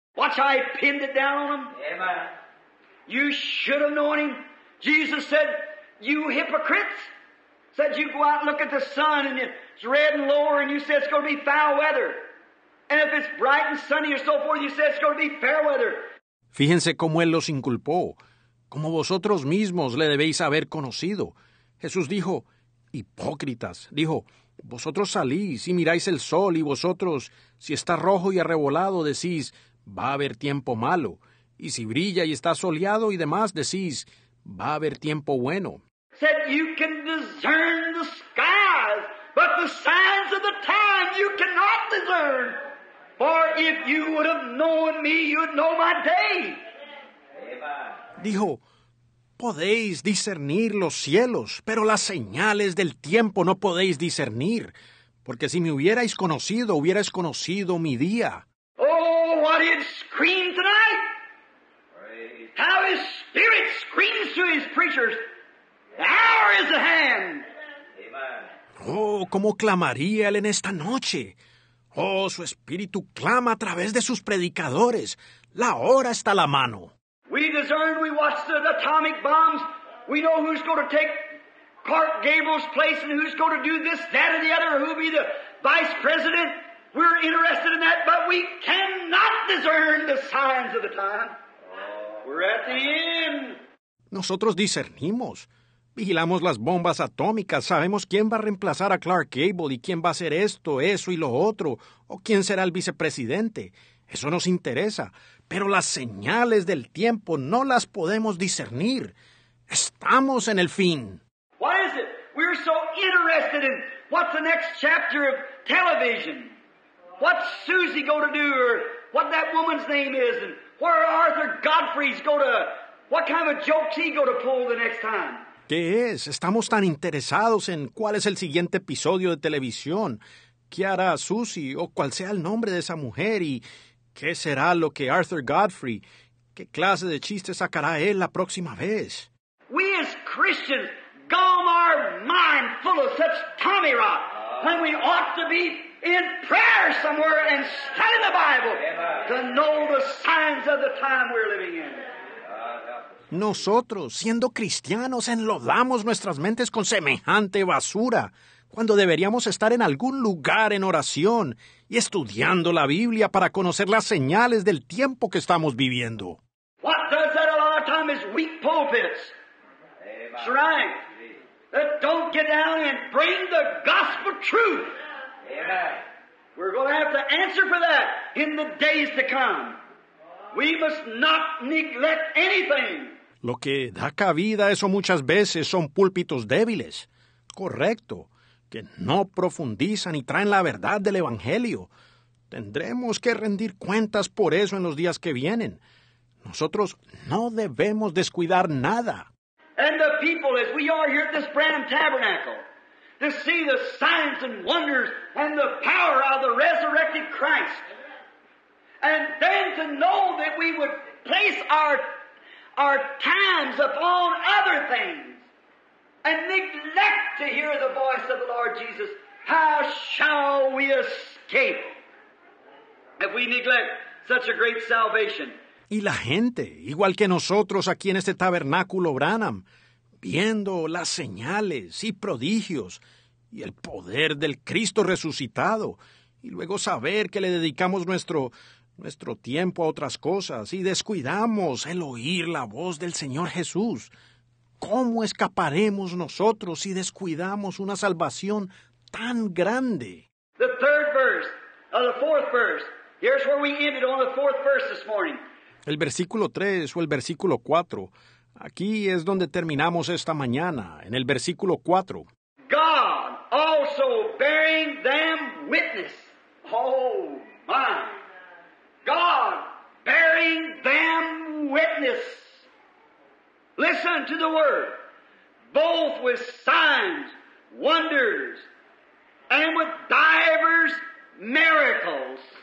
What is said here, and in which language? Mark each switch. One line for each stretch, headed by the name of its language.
English: Watch, I pinned it down on him. Amen. You should have known him. Jesus said, you hypocrites, said you go out and look at the sun and it's red and lower and you say it's going to be foul weather. And if it's bright and sunny or so forth, you say it's going to be fair weather.
Spanish: Fíjense cómo él los inculpó, como vosotros mismos le debéis haber conocido. Jesús dijo, hipócritas, dijo, vosotros salís y miráis el sol y vosotros, si está rojo y arrebolado, decís, va a haber tiempo malo. Y si brilla y está soleado y demás, decís, va a haber tiempo bueno.
English: Said you can discern the skies, but the signs of the time you cannot discern. For if you would have known me, you'd know my day.
Spanish: Dijo, podéis discernir los cielos, pero las señales del tiempo no podéis discernir, porque si me hubierais conocido, hubierais conocido mi día.
English: Oh, what he'd scream tonight! How his spirit screams to his preachers! The hour is at hand!
Spanish: Oh, cómo clamaría él en esta noche! Oh, su espíritu clama a través de sus predicadores. La hora está a la mano.
English: We discern, we watch the atomic bombs. We know who's going to take Clark Gable's place and who's going to do this, that, or the other, or who'll be the vice president. We're interested in that, but we cannot discern the signs of the time. We're at the end.
Spanish: Nosotros discernimos. Vigilamos las bombas atómicas. Sabemos quién va a reemplazar a Clark Gable y quién va a hacer esto, eso y lo otro, o quién será el vicepresidente. Eso nos interesa. Pero las señales del tiempo no las podemos discernir. Estamos en el fin.
English: What is it? We're so interested in what's the next chapter of television. What's Susie going to do, or what that woman's name is, and where Arthur Godfrey's going to, what kind of jokes he going to pull the next time.
Spanish: ¿Qué es? Estamos tan interesados en cuál es el siguiente episodio de televisión. ¿Qué hará Susie o cuál sea el nombre de esa mujer y qué será lo que Arthur Godfrey, qué clase de chiste sacará él la próxima vez?
English: We as Christians gum our mind full of such tommy rot when we ought to be in prayer somewhere and study the Bible to know the signs of the time we're living in.
Spanish: Nosotros, siendo cristianos, enlodamos nuestras mentes con semejante basura, cuando deberíamos estar en algún lugar en oración y estudiando la Biblia para conocer las señales del tiempo que estamos viviendo.
English: What does that a lot of time is weak pulpits. Amen. That's right. That don't get down and bring the gospel truth. Amen. We're going to have to answer for that in the days to come. We must not neglect anything.
Spanish: Lo que da cabida a eso muchas veces son púlpitos débiles. Correcto. Que no profundizan y traen la verdad del Evangelio. Tendremos que rendir cuentas por eso en los días que vienen. Nosotros no debemos descuidar nada.
English: And the people, as we are here at this Branham Tabernacle, to see the signs and wonders and the power of the resurrected Christ. And then to know that we would place our times upon other things and neglect to hear the voice of the Lord Jesus. How shall we escape if we neglect such a great salvation?
Spanish: Y la gente, igual que nosotros aquí en este tabernáculo Branham, viendo las señales y prodigios y el poder del Cristo resucitado, y luego saber que le dedicamos nuestro tiempo a otras cosas y descuidamos el oír la voz del Señor Jesús, ¿cómo escaparemos nosotros si descuidamos una salvación tan grande?
English: The third verse, the fourth verse. Here's where we ended on the fourth verse this morning.
Spanish: El versículo 3 o el versículo 4, aquí es donde terminamos esta mañana, en el versículo 4.
English: God also bearing them witness. Oh, my. God bearing them witness. Listen to the word. Both with signs, wonders, and with divers miracles.